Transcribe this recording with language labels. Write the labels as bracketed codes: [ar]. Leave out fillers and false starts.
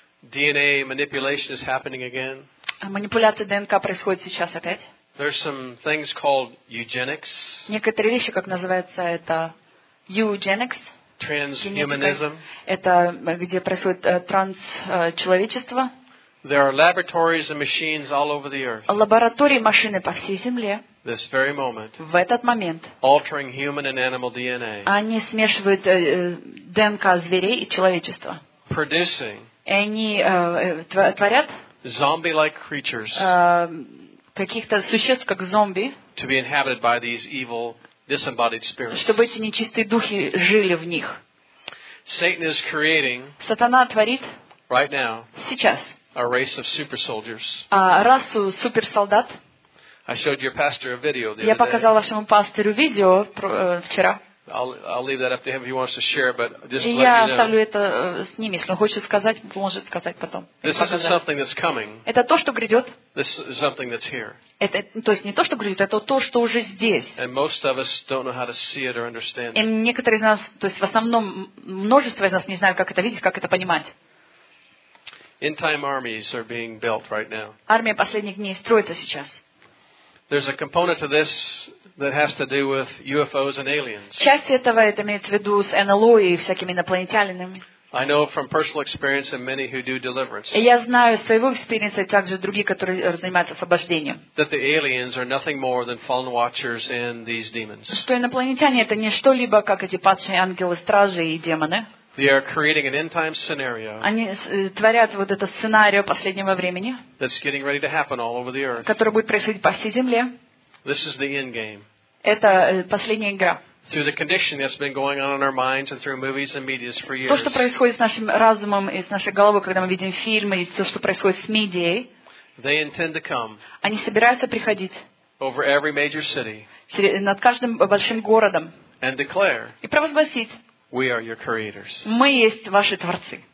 [en] DNA manipulation is happening again. [ru] Манипуляция ДНК происходит сейчас опять. [en] There's some things called eugenics. [ru] Некоторые вещи, как называется, это eugenics. [en] Transhumanism. [ru] Это где происходит трансчеловечество. [en] There are laboratories and machines all over the earth. [ru] Лаборатории, машины по всей земле. [en] This very moment. [ru] В этот момент. [en] Altering human and animal DNA. [ru] Они смешивают ДНК зверей и человечества. [en] Producing. [ru] И они творят [en] zombie-like creatures, [ru] каких-то существ, как зомби, [en] to be inhabited by these evil, disembodied spirits. [ru] Чтобы эти нечистые духи жили в них. [en] Satan is creating, [ru] Сатана творит [en] right now, [ru] сейчас [en] a race of super soldiers. [ru] Расу суперсолдат. [en] I showed your pastor a video the other day. [ru] Я показал вашему пастору видео вчера. [en] I'll leave that up to him if he wants to share, but just let me know. [ru] Я оставлю это с ним, если он хочет сказать, может сказать потом. [en] This is something that's coming. [ru] Это то, что грядет. [en] This is something that's here. [ru] Это, то есть не то, что грядет, это то, что уже здесь. [en] And most of us don't know how to see it or understand. [ru] И некоторые из нас, то есть в основном множество из нас не знают, как это видеть, как это понимать. [en] End time armies are being built right now. [ru] Армия последних дней строится сейчас. [en] There's a component to this. That has to do with UFOs and aliens. [ru] Часть этого это имеет в виду с НЛО и всякими инопланетянами. [en] I know from personal experience and many who do deliverance. [ru] Я знаю из своего опыта и также другие, которые занимаются освобождением. [en] That the aliens are nothing more than fallen watchers and these demons. [ru] Что инопланетяне это не что либо как эти падшие ангелы стражи и демоны. [en] They are creating an end-time scenario. [ru] Они творят вот этот сценарий последнего времени. [en] That's getting ready to happen all over the earth. [ru] Который будет происходить по всей земле. [en] This is the end game. [ru] Это последняя игра. [en] Through the conditioning that's been going on in our minds and through movies and media for years. [ru] То, что происходит с нашим разумом и с нашей головой, когда мы видим фильмы, и то, что происходит с медией. [en] They intend to come. [ru] Они собираются приходить. [en] Over every major city. [ru] Над каждым большим городом. [en] And declare. [ru] И провозгласить. [en] We are your creators. [ru] Мы есть ваши творцы.